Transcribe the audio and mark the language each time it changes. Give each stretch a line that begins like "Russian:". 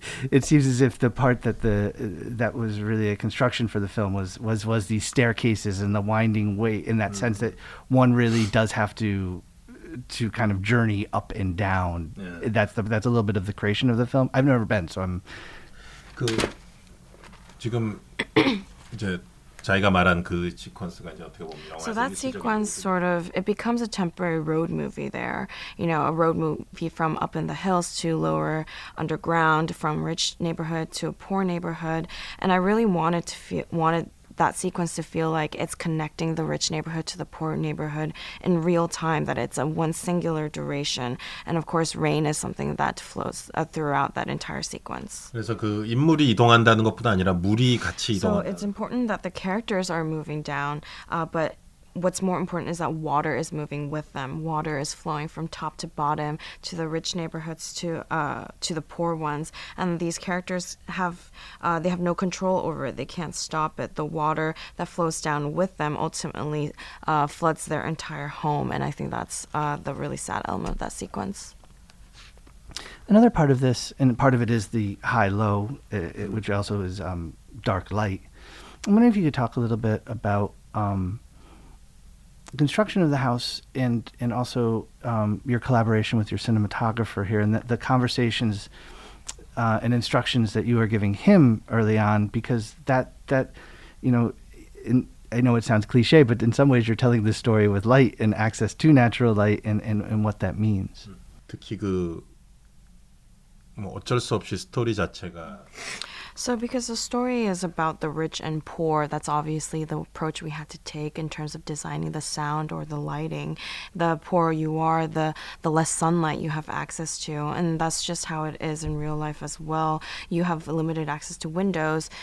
English: it seems as if the part that that was really a construction for the film was these staircases and the winding way in that sense that one really does have to kind of journey up and down. Yeah. That's a little bit of the creation of the film. I've never been, so I'm.
Korean: 그 지금 이제 자기가 말한 그 시퀀스가 이제 어떻게 보면 영화.
English: So that sequence sort of it becomes a temporary road movie there. You know, a road movie from up in the hills to lower underground, from rich neighborhood to a poor neighborhood, and I really wanted that sequence to feel like it's connecting the rich neighborhood to the poor neighborhood in real time, that it's a one singular duration. And of course, rain is something that flows throughout that entire sequence.
Korean: 그래서 그 인물이 이동한다는 것뿐 아니라 물이 같이 이동한다.
English: So it's important that the characters are moving down, but what's more important is that water is moving with them. Water is flowing from top to bottom to the rich neighborhoods to the poor ones. And these characters have no control over it. They can't stop it. The water that flows down with them ultimately floods their entire home. And I think that's the really sad element of that sequence. Another part of this, and part of it is the high-low, which also is dark-light. I'm wondering if you could talk a little bit about construction of the house and also your collaboration with your cinematographer here and the conversations and instructions that you are giving him early on, because that you know, I know it sounds cliche, but in some ways you're telling this story with light and access to natural light and what that means.
Korean: 특히 그 뭐 어쩔 수 없이 스토리 자체가
English: So because the story is about the rich and poor, that's obviously the approach we had to take in terms of designing the sound or the lighting. The poorer you are, the less sunlight you have access to. And that's just how it is in real life as well. You have limited access to windows.